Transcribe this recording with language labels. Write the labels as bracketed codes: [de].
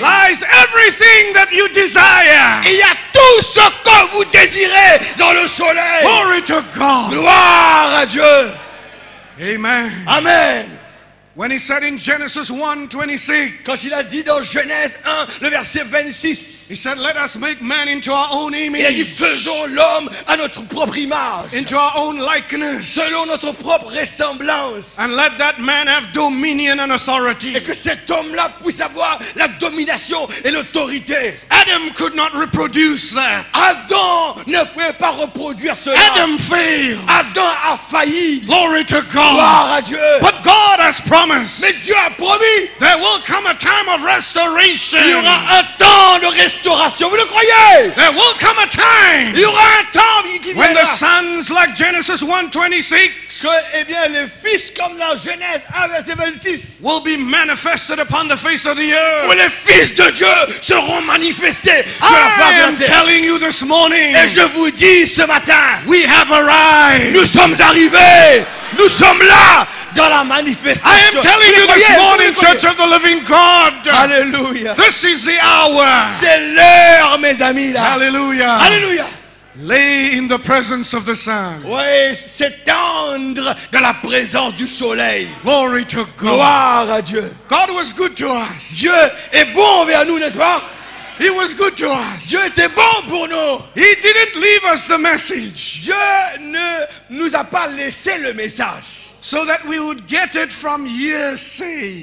[en] lies everything that you desire. [fr] Il y a tout ce que vous désirez dans le soleil. [en] Glory to God. [fr] Gloire à Dieu. [en] Amen. [fr] Amen. [en] When he said in Genesis 1:26, [fr] quand il a dit dans Genèse 1, le verset 26, [en] he said, "Let us make man into our own image." [fr] Il a dit, faisons l'homme à notre propre image, [en] into our own likeness, [fr] selon notre propre ressemblance, [en] and let that man have dominion and authority. [fr] Et que cet homme-là puisse avoir la domination et l'autorité. [en] Adam could not reproduce that. [fr] Adam ne pouvait pas reproduire cela. [en] Adam failed. [fr] Adam a failli. [en] Glory to God. [fr] Gloire à Dieu. [en] But God has promise. [fr] Mais Dieu a promis. [en] There will come a time of restoration. [fr] Il y aura un temps de restauration. Vous le croyez? [en] There will come a time. [fr] Il y aura un temps qui viendra. [en] When the sons like Genesis 1:26. [fr] Que eh bien les fils comme la Genèse 1 verset 26. [en] Will be manifested upon the face of the earth. [fr] Où les fils de Dieu seront manifestés. [en] I'm telling you this morning. [fr] Et je vous dis ce matin. [en] We have arrived. [fr] Nous sommes arrivés. Nous sommes là dans la manifestation. [en] I am telling you this morning, Church of the Living God. Hallelujah. This is the hour. [fr] C'est l'heure, mes amis là. [en] Hallelujah. [fr] Hallelujah. [en] Lay in the presence of the sun. [fr] Oui, s'étendre dans la présence du soleil. [en] Glory to God. [fr] Gloire à Dieu. [en] God was good to us. [fr] Dieu est bon envers nous, n'est-ce pas? [en] He was good to us. [fr] Dieu était bon pour nous. [en] He didn't leave us the message. [fr] Dieu ne nous a pas laissé le message. [en] So that we would get it from hearsay.